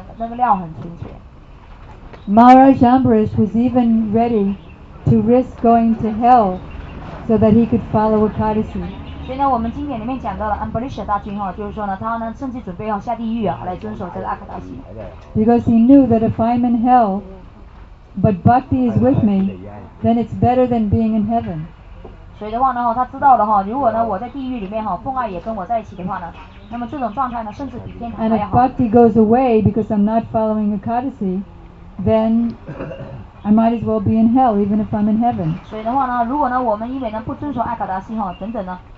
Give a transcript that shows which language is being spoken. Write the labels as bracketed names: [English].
[English] Maharaj Ambarish was even ready to risk going to hell so that he could follow Ekadasi. [Chinese] 所以呢我们经典里面讲到了安伯利舍大君就是说呢他呢甚至准备要下地狱啊来遵守这个阿卡达西 [English] Because he knew that if I'm in hell but bhakti is with me then it's better than being in heaven. [Chinese] 所以的话呢他知道了如果呢我在地狱里面奉爱也跟我在一起的话呢那么这种状态呢甚至比天堂还好 [English] And if bhakti goes away because I'm not following Ekadasi then I might as well be in hell even if I'm in heaven. [Chinese] 所以的话呢如果呢我们因为呢不遵守阿卡达西等等呢